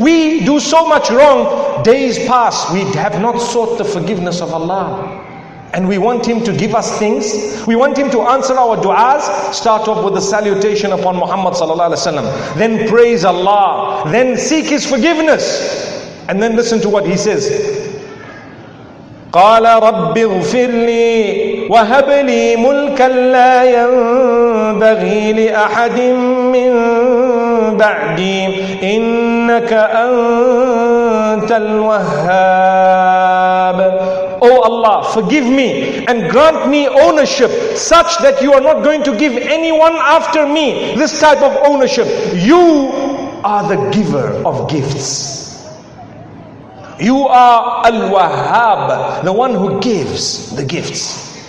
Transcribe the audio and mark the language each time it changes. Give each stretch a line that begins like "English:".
English: We do so much wrong. Days pass. We have not sought the forgiveness of Allah. And we want Him to give us things. We want Him to answer our du'as. Start off with a salutation upon Muhammad sallallahu alaihi wasallam. Then praise Allah. Then seek His forgiveness. And then listen to what He says.
Arabic: قال رب اغفر لي وهب لي ملكا لا ينبغي لأحد من بعدي إنك أنت الوهاب.
English: O Allah, forgive me and grant me ownership such that you are not going to give anyone after me this type of ownership. You are the giver of gifts. You are Al-Wahhab, the one who gives the gifts.